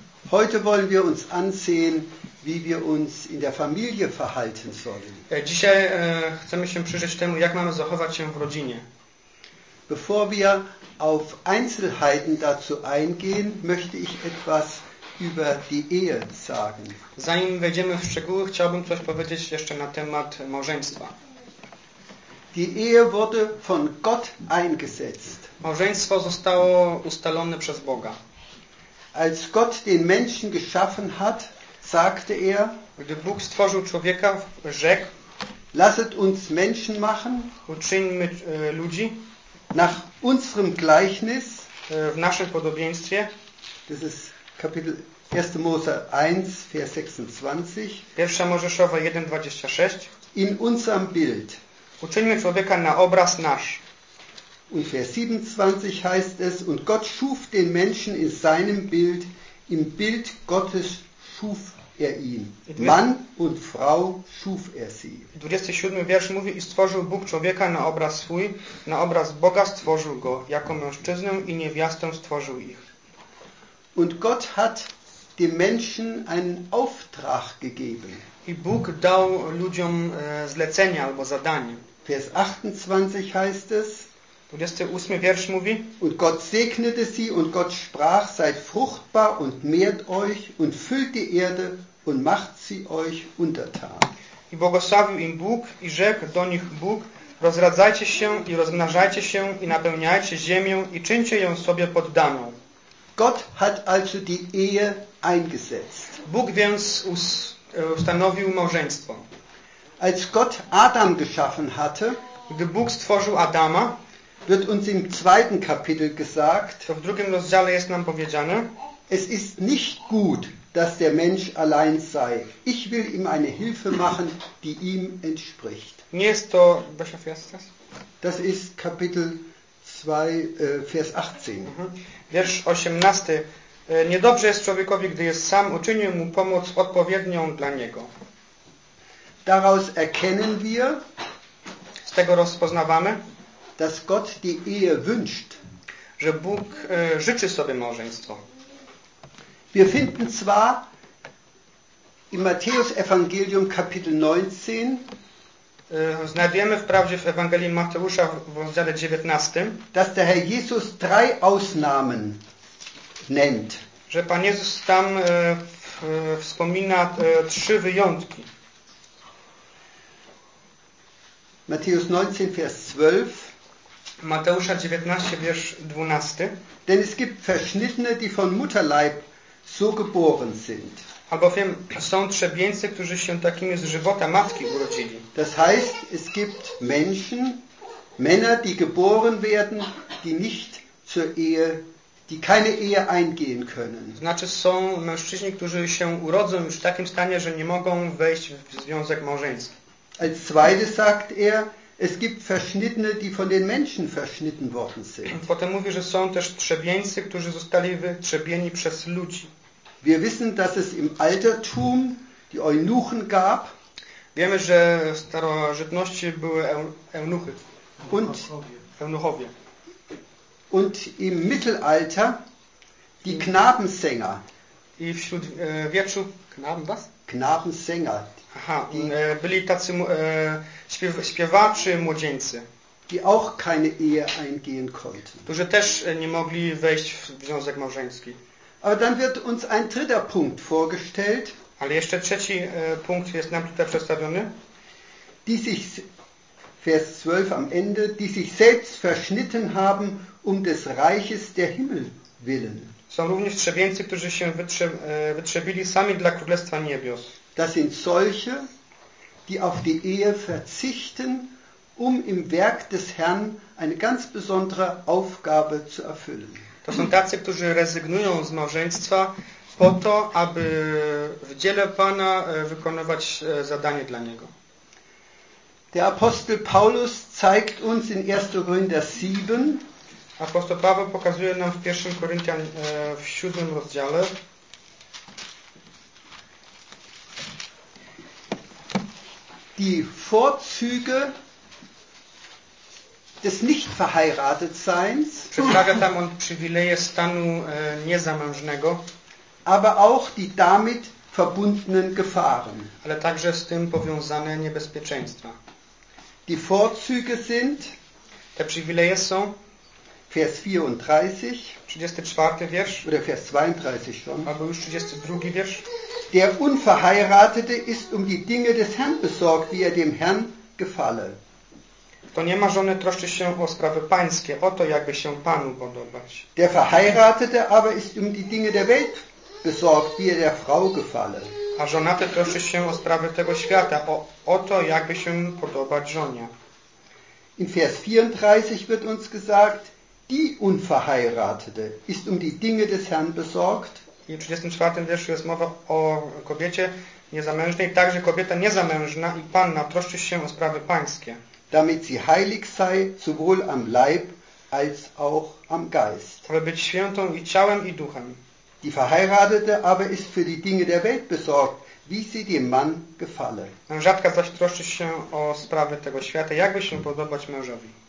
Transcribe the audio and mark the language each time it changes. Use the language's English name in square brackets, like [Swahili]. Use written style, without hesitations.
[German] Heute wollen wir uns ansehen, wie wir uns in der Familie verhalten sollen. [Polish] Dzisiaj chcemy się przyjrzeć temu, jak mamy zachować się w rodzinie. [German] Bevor wir auf Einzelheiten dazu eingehen, möchte ich etwas über die Ehe sagen. [Polish] Zanim wejdziemy w szczegóły, chciałbym coś powiedzieć jeszcze na temat małżeństwa. [German] Die Ehe wurde von Gott eingesetzt. [Polish] Małżeństwo zostało ustalone przez Boga. [German] Als Gott den Menschen geschaffen hat, sagte er, [Polish] gdy Bóg stworzył człowieka, rzekł: [German] Lasset uns Menschen machen, [Polish] uczyńmy ludzi [German] nach unserem Gleichnis, [Polish] w naszym podobieństwie. [German] Das ist Kapitel 1. Mose 1, Vers 26. [Polish] 1. Mojżeszowa 1:26. [German] In unserem Bild. [Polish] Uczyńmy człowieka na obraz nasz. [German] Und Vers 27 heißt es: Und Gott schuf den Menschen in seinem Bild, im Bild Gottes schuf er ihn. Mann und Frau schuf er sie. 27. [Polish] Wiersz mówi: I stworzył Bóg człowieka na obraz swój, na obraz Boga stworzył go, jako mężczyznę i niewiastę stworzył ich. [German] Und Gott hat dem Menschen einen Auftrag gegeben. [Polish] I Bóg dał ludziom zlecenie albo zadanie. [German] Vers 28 heißt es. [Polish] 28. Wiersz mówi: [German] Und Gott segnete sie und Gott sprach: Seid fruchtbar und mehrt euch und füllt die Erde und macht sie euch untertan. [Polish] I błogosławił im Bóg i rzekł do nich Bóg: Rozradzajcie się i rozmnażajcie się i napełniajcie ziemię i czyńcie ją sobie poddaną. [German] Gott hat also die Ehe eingesetzt. [Polish] Bóg więc ustanowił małżeństwo. [German] Als Gott Adam geschaffen hatte, [Polish] gdy Bóg stworzył Adama, [German] wird uns im zweiten Kapitel gesagt, [Polish] w drugim rozdziale jest nam powiedziane: [German] Es ist nicht gut, dass der Mensch allein sei. Ich will ihm eine Hilfe machen, die ihm entspricht. [Polish] Nie jest to, [German] welcher Vers ist das? Das ist Kapitel 2, Vers 18. [Polish] Wiersz 18. Niedobrze jest człowiekowi, gdy jest sam, uczynię mu pomoc odpowiednią dla niego. [German] Daraus erkennen wir, [Polish] Z tego rozpoznawamy, [German] dass Gott die Ehe wünscht. [Polish] Że Bóg życzy sobie małżeństwo. [German] Wir finden zwar im Matthäus-Evangelium Kapitel 19, [Polish] znajdujemy wprawdzie w Ewangelii Mateusza w rozdziale 19, [German] dass der Herr Jesus drei Ausnahmen nennt. [Polish] Że Pan Jezus tam wspomina trzy wyjątki. [German] Matthäus 19, Vers 12. [Polish] Mateusza 19, Vers 12. [German] Denn es gibt Verschnittene, die von Mutterleib so geboren sind. [Polish] Albowiem są trzebieńcy, którzy się takimi z żywota matki urodzili. [German] Das heißt, es gibt Menschen, Männer, die geboren werden, die nicht zur Ehe, die keine Ehe eingehen können. [Polish] Znaczy są mężczyźni, którzy się urodzą już w takim stanie, że nie mogą wejść w związek małżeński. [German] Als zweites sagt er, es gibt Verschnittene, die von den Menschen verschnitten worden sind. [Polish] Potem mówi, że są też trzebieńcy, którzy zostali wytrzebieni przez ludzi. [German] Wir wissen, dass es im Altertum die Eunuchen gab. [Polish] Wiemy, że w starożytności były eunuchy. Eunuchowie. [German] Und im Mittelalter die Knabensänger. [Polish] I wśród wieczu [German] Knaben was? Knabensänger. [Polish] Aha, byli tacy śpiewacze młodzieńcy, [German] die auch keine Ehe eingehen konnten. [Polish] Którzy też nie mogli wejść w związek małżeński. [German] Aber dann wird uns ein dritter Punkt vorgestellt. [Polish] Ale jeszcze trzeci punkt jest nam tutaj przedstawiony. [German] Die sich, Vers 12 am Ende, die sich selbst verschnitten haben um des Reiches der Himmel willen. [Polish] Są również trzebieńcy, którzy się wytrzebili sami dla Królestwa Niebios. [German] Das sind solche, die auf die Ehe verzichten, um im Werk des Herrn eine ganz besondere Aufgabe zu erfüllen. [Polish] To są tacy, którzy rezygnują z małżeństwa po to, aby w dziele Pana wykonywać zadanie dla Niego. [German] Der Apostel Paulus zeigt uns in 1. Korinther 7. [Polish] Apostoł Paweł pokazuje nam w 1. Koryntian w 7. rozdziale. [German] Die Vorzüge des Nichtverheiratetseins. [Polish] Przedstawia tam on przywileje stanu niezamężnego. [German] Aber auch die damit verbundenen Gefahren. [Polish] Ale także z tym powiązane niebezpieczeństwa. [German] Die Vorzüge sind. [Polish] Te przywileje są. [German] Vers 34. [Polish] 34 wiersz. [German] Oder Vers 32 schon. [Polish] Albo już 32 wiersz. [German] Der Unverheiratete ist um die Dinge des Herrn besorgt, wie er dem Herrn gefalle. [Polish] Kto nie ma żony, troszczy się o sprawy pańskie, o to, jakby się Panu podobać. [German] Der Verheiratete aber ist um die Dinge der Welt besorgt, wie er der Frau gefalle. [Polish] A żonaty troszczy się o sprawy tego świata, o to, jakby się podobać żonie. [German] In Vers 34 wird uns gesagt, die Unverheiratete ist um die Dinge des Herrn besorgt. [Polish] I w 34 wierszu jest mowa o kobiecie niezamężnej, także kobieta niezamężna i panna troszczy się o sprawy pańskie. [German] Damit sie heilig sei, sowohl am Leib, als auch am Geist. [Polish] Aby być świętą i ciałem, i duchem. [German] Die Verheiratete aber ist für die Dinge der Welt besorgt, wie sie dem Mann gefalle. [Polish] Mężatka zaś troszczy się o sprawy tego świata, jakby się podobać mężowi.